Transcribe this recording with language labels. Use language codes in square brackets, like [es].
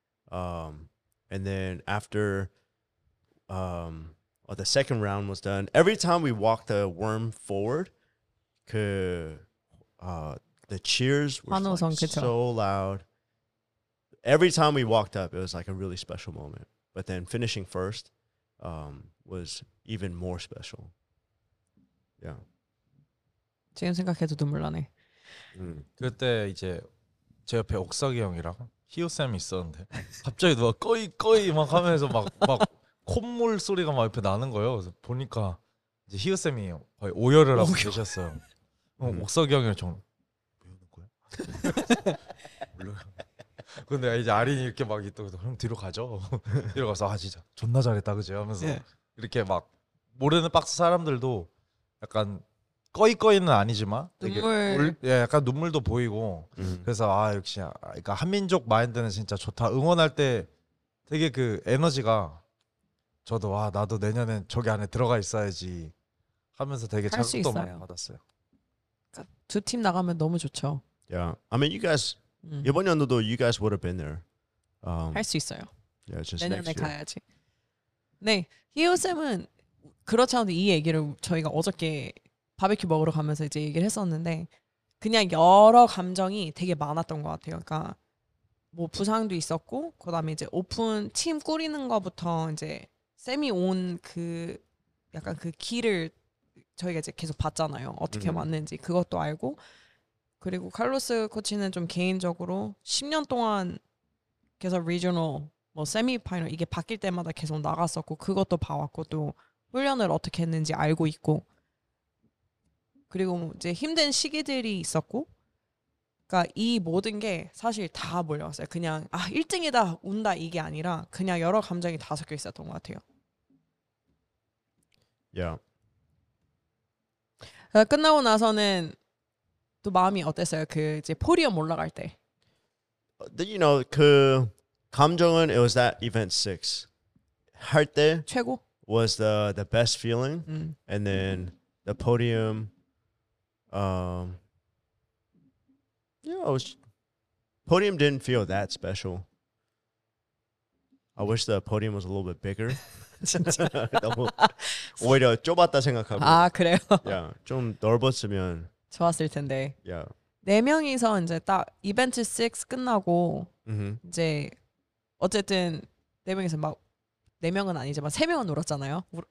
[en] And then after the second round was done, every time we walked the worm forward, 그 the cheers were like so loud. Every time we walked up, it was like a really special moment. But then finishing first was even more special. Yeah. [ko] 지금 생각해도 눈물 나네. 그때 이제 제 옆에 옥석이 형이랑 히오 쌤이 있었는데 갑자기 누가 꺼이 꺼이 막 하면서 막 콧물 소리가 막 옆에 나는 거예요. 그래서 보니까 이제 히오 쌤이 거의 오열을 하고 계셨어요. 옥석이 형이랑 저는 근데 이제 아린이 이렇게 막 있더라도 형 뒤로 가죠. 뒤로 가서 아 진짜 존나 잘했다 그제 하면서 이렇게 막 모르는 박스 사람들도 약간 꺼이꺼이는 아니지만 되게 눈물 예 약간 눈물도 보이고 그래서 아 역시 그러니까 한민족 마인드는 진짜 좋다. 응원할 때 되게 그 에너지가 저도 와 나도 내년엔 저기 안에 들어가 있어야지 하면서 되게 자극도 많이 받았어요. 그러니까 두 팀 나가면 너무 좋죠. [en] Yeah, I mean, you guys. [ko] 이번 연도도 [en] you guys would have been there. [ko] 할 수 있어요. [en] Yeah, just next year. [ko] 내년에 가야지. 네, 히오 쌤은 그렇잖아도 이 얘기를 저희가 어저께 바베큐 먹으러 가면서 이제 얘기를 했었는데 그냥 여러 감정이 되게 많았던 것 같아요. 그러니까 뭐 부상도 있었고 그다음에 이제 오픈 팀 꾸리는 것부터 이제 쌤이 온 그 약간 그 길을 저희가 이제 계속 봤잖아요. 어떻게 왔는지 그것도 알고. 그리고 칼로스 코치는 좀 개인적으로 10년 동안 계속 리저널 뭐 세미 파이널 이게 바뀔 때마다 계속 나갔었고 그것도 봐왔고 또 훈련을 어떻게 했는지 알고 있고 그리고 이제 힘든 시기들이 있었고 그러니까 이 모든 게 사실 다 몰려왔어요. 그냥 아 1등이다 운다 이게 아니라 그냥 여러 감정이 다 섞여 있었던 것 같아요. [en] Yeah. [ko] 끝나고 나서는 또 마음이 어땠어요? 그 이제 포디엄 올라갈 때. [en] You know, [ko] 그 감정은 [en] it was that event 6. [ko] 할 때 최고. [en] Was the best feeling. And then the podium yeah, it was podium didn't feel that special. I wish the podium was a little bit bigger. [ko] 진짜 너무 오히려 좁았다 생각하고. 아, 그래요. 야, 좀 넓었으면 좋았을 텐데 [en] yeah. [ko] 네 명이서 이제 딱 이벤트 6 끝나고 이제 어쨌든 네 명이서 막 네 명은 아니지만 세 명은 울었잖아요.